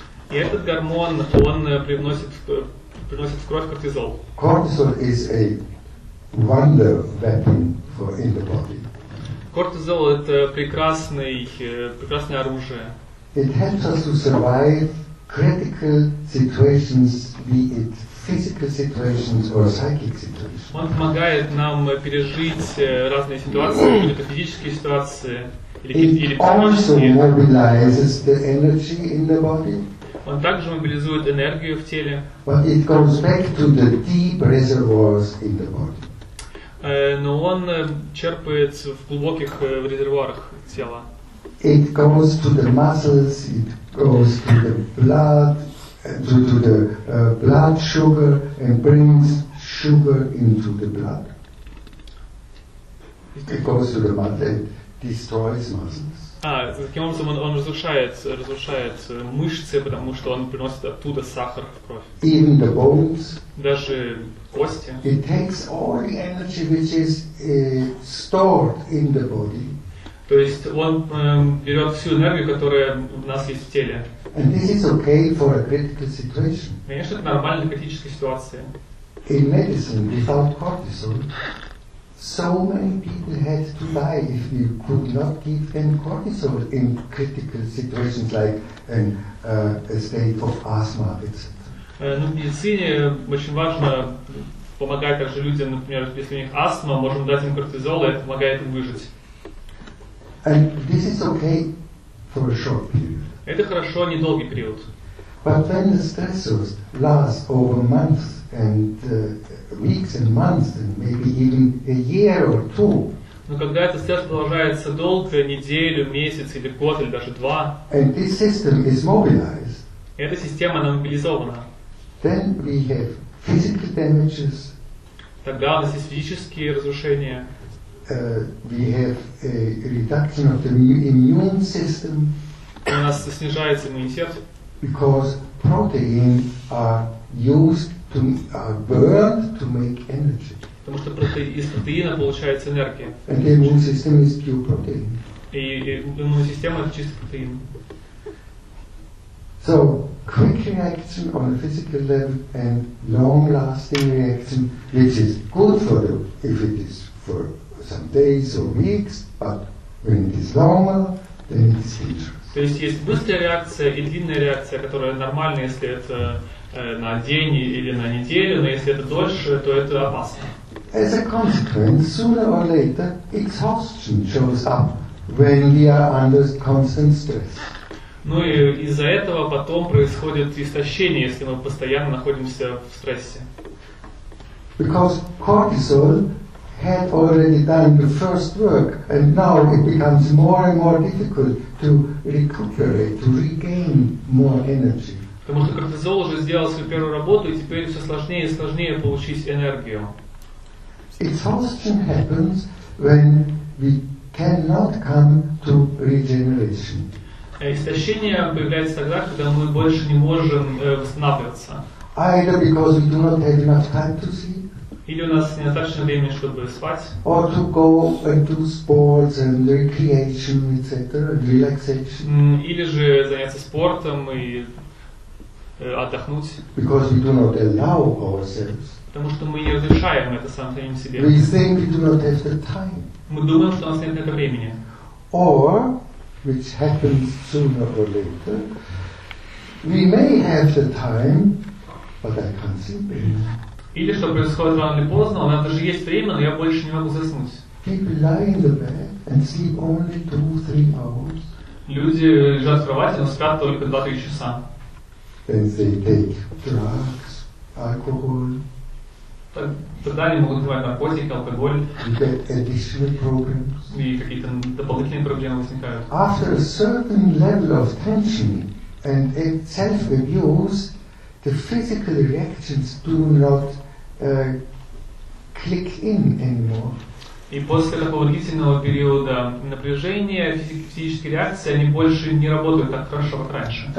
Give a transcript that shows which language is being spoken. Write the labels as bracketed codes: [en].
[ru] И этот гормон, он привносит в кровь кортизол. [en] Cortisol is a wonder weapon for in the body. [ru] Кортизол — это прекрасное оружие. [en] It helps us to survive critical situations, be it physical situations or psychic situations. [ru] Он помогает нам пережить разные ситуации, или физические ситуации, или психические. [en] It also mobilizes the energy in the body. [ru] Он также мобилизует энергию в теле. [en] But it goes back to the deep reservoirs in the body. [ru] Но он черпает в глубоких резервуарах тела. [en] It goes to the muscles, it goes to the blood, to the blood sugar, and brings sugar into the blood. It goes to the muscles and destroys muscles. [ru] Таким образом он разрушает мышцы, потому что он приносит оттуда сахар в кровь. [en] Even the bones. [ru] Даже кости. [en] It takes all the energy which is stored in the body. [ru] То есть он берет всю энергию, которая у нас есть в теле. [en] And this is okay for a critical situation. [ru] Конечно, это нормальная критическая ситуация. [en] In medicine, without cortisol, so many people had to die if you could not give them cortisol in critical situations like a state of asthma, etc. [ru] Ну, в медицине очень важно помогать также людям, например, если у них астма, можем дать им кортизол, и это помогает им выжить. [en] And this is okay for a short period. [ru] Это хорошо недолгий период. [en] But when the stressors last over months and weeks and months and maybe even a year or two. [ru] Но когда этот стресс продолжается долго, неделю, месяц или год или даже два. [en] And this system is mobilized. [ru] Эта система она мобилизована. [en] Then we have physical damages. [ru] Тогда у нас есть физические разрушения. [en] We have a reduction of the immune system. [ru] У нас снижается иммунитет. [en] Because proteins are used to are burned to make energy. [ru] Потому что из протеина получается энергия. [en] And the immune system is pure protein. [ru] И иммунная система это чистый протеин. [en] So quick reaction on a physical level and long-lasting reaction, which is good for you if it is for some days or weeks, but when it is longer, then it is dangerous. [ru] То есть есть быстрая реакция и длинная реакция, которая нормально, если это на день или на неделю, но если это дольше, то это опасно. [en] As a consequence, sooner or later, exhaustion shows up when we are under constant stress. [ru] Ну и из-за этого потом происходит истощение, если мы постоянно находимся в стрессе. [en] Because cortisol had already done the first work, and now it becomes more and more difficult to recuperate, to regain more energy. [ru] Потому что кортизол уже сделал свою первую работу, и теперь все сложнее и сложнее получить энергию. [en] Exhaustion happens when we cannot come to regeneration. [ru] Истощение появляется тогда, когда мы больше не можем восстанавливаться. [en] Either because we do not have enough time to sleep. [ru] Или у нас недостаточно времени, чтобы спать. [en] Or to go and do sports and recreation, etc., relaxation. [ru] Или же заняться спортом и отдохнуть. [en] Because we do not allow ourselves. [ru] Потому что мы не разрешаем это самим себе. [en] We think we do not have the time. [ru] Мы думаем, что у нас нет времени. [en] Or which happens sooner or later. We may have the time, but I can't sleep anymore. [ru] Или что происходит рано или поздно, у меня даже есть время, но я больше не могу заснуть. [en] People lie in the bed and sleep only 2-3 hours. [ru] Люди лежат в кровати, но спят только 2-3 часа. [en] Then they take drugs, alcohol. [ru] Тогда они могут принимать наркотики, алкоголь. [en] Additional problems. [ru] И какие-то дополнительные проблемы возникают. [en] After a certain level of tension and self-abuse, the physical reactions do not click in anymore. [ru] И после такого длительного периода напряжения физические реакции они больше не работают так хорошо, как раньше.